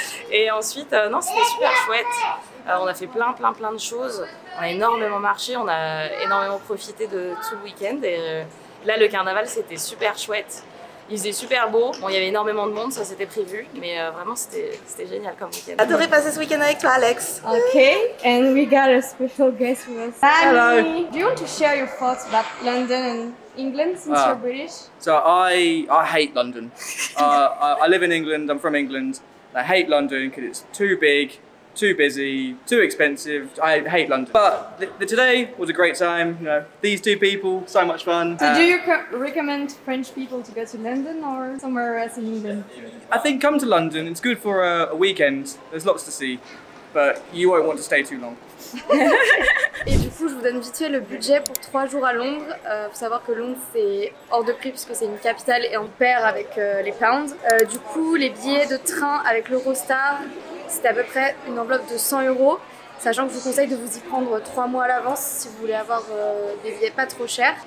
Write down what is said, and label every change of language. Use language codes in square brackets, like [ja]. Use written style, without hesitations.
[fr] Et ensuite, non, c'était super chouette. On a fait plein de choses. On a énormément marché, on a énormément profité de tout le week-end. Et là, le carnaval, c'était super chouette. Il faisait super beau, bon, il y avait énormément de monde, ça c'était prévu, mais vraiment c'était génial comme week-end. J'ai adoré passer ce week-end avec toi, Alex. [en] Ok, and we got a special guest with us. Hello. Do you want to share your thoughts about London and England since you're British? So I hate London. I live in England, I'm from England. I hate London because it's too big, too busy, too expensive. I hate London. But today was a great time. You know, these two people, so much fun. So do you recommend French people to go to London or somewhere else in England? I think come to London. It's good for a weekend. There's lots to see, but you won't want to stay too long. [fr] Et du coup, je vous donne vite fait le budget pour 3 jours à Londres. Faut savoir que Londres, c'est hors de prix puisque c'est une capitale et on perd avec les pounds. Du coup, les billets de train avec l'Eurostar, c'était à peu près une enveloppe de 100 €, sachant que je vous conseille de vous y prendre 3 mois à l'avance si vous voulez avoir des billets pas trop chers.